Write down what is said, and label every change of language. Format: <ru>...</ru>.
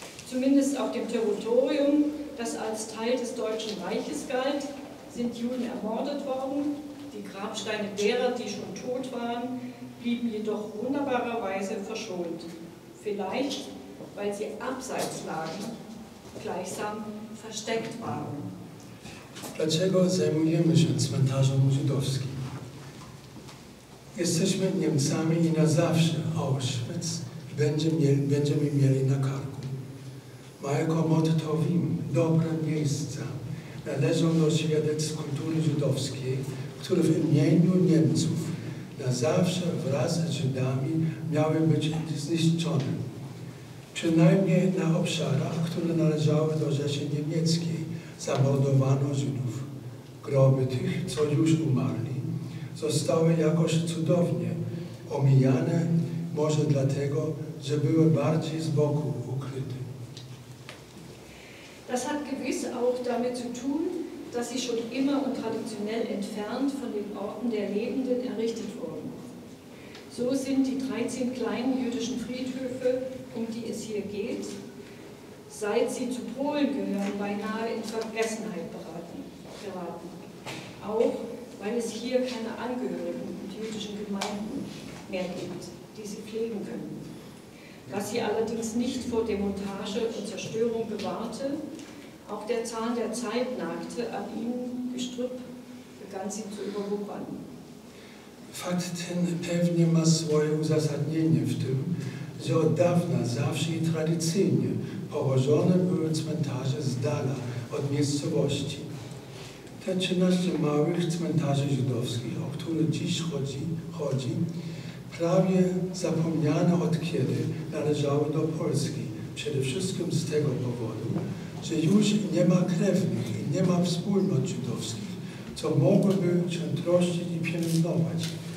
<de>Zumindest auf dem Territorium, das als Teil des Deutschen Reiches galt, sind Juden ermordet worden. Die Grabsteine derer, die schon tot waren, blieben jedoch wunderbarerweise verschont. Vielleicht, weil sie abseits lagen, gleichsam versteckt waren.</de> <pl>Dlaczego zajmujemy się cmentarzem żydowskim? Jesteśmy Niemcami i na zawsze Auschwitz będziemy mieli na karku. Majekomot to Wim, dobre miejsca, należą do świadectw kultury żydowskiej, które w imieniu Niemców na zawsze wraz z Żydami miały być zniszczone. Przynajmniej na obszarach, które należały do Rzeszy Niemieckiej, zamordowano Żydów. Groby tych, co już umarli, zostały jakoś cudownie omijane, może dlatego, że były bardziej z boku ukryte.</pl> <de>Das hat gewiss auch damit zu tun, dass sie schon immer und traditionell entfernt von den Orten der Lebenden errichtet wurden. So sind die 13 kleinen jüdischen Friedhöfe, um die es hier geht, seit sie zu Polen gehören, beinahe in Vergessenheit geraten. Auch weil es hier keine Angehörigen und jüdischen Gemeinden mehr gibt, die sie pflegen können. Was sie allerdings nicht vor Demontage und Zerstörung bewahrte, auch der Zahn der Zeit nagte an ihnen, Gestrüpp begann sie zu überwuchern.</de> <pl>Fakt ten pewnie ma swoje uzasadnienie w tym, że od dawna, zawsze i tradycyjnie położone były cmentarze z dala od miejscowości. Te 13 małych cmentarzy żydowskich, o które dziś chodzi, prawie zapomniane od kiedy należały do Polski, przede wszystkim z tego powodu, że już nie ma krewnych i nie ma wspólnot żydowskich, co mogłyby się troszczyć i pielęgnować,</pl>